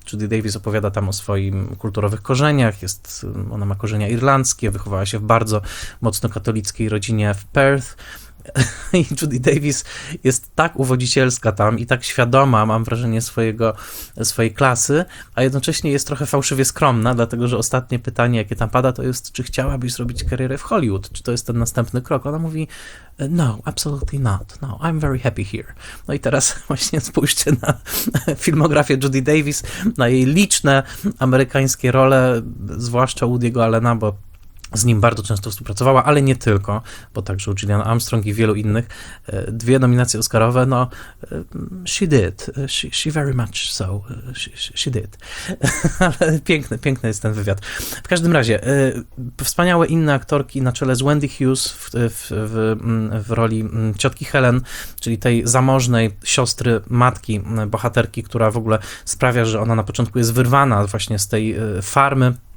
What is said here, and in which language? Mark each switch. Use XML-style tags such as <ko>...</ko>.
<pl>Judy Davis opowiada tam o swoim kulturowych korzeniach. Ona ma korzenia irlandzkie, wychowała się w bardzo mocno katolickiej rodzinie w Perth. I Judy Davis jest tak uwodzicielska tam i tak świadoma, mam wrażenie, swojej klasy, a jednocześnie jest trochę fałszywie skromna, dlatego że ostatnie pytanie, jakie tam pada, to jest, czy chciałabyś zrobić karierę w Hollywood, czy to jest ten następny krok. Ona mówi, no,</pl> <en>absolutely not, no, I'm very happy here.</en> <pl>No i teraz właśnie spójrzcie na filmografię Judy Davis, na jej liczne amerykańskie role, zwłaszcza Woody'ego Allena, bo z nim bardzo często współpracowała, ale nie tylko, bo także u Gillian Armstrong i wielu innych. Dwie nominacje Oscarowe, no,</pl> <en>she did, she very much so, she did.</en> <pl>Ale piękny jest ten wywiad. W każdym razie, wspaniałe inne aktorki na czele z Wendy Hughes w roli ciotki Helen, czyli tej zamożnej siostry matki bohaterki, która w ogóle sprawia, że ona na początku jest wyrwana właśnie z tej farmy</pl>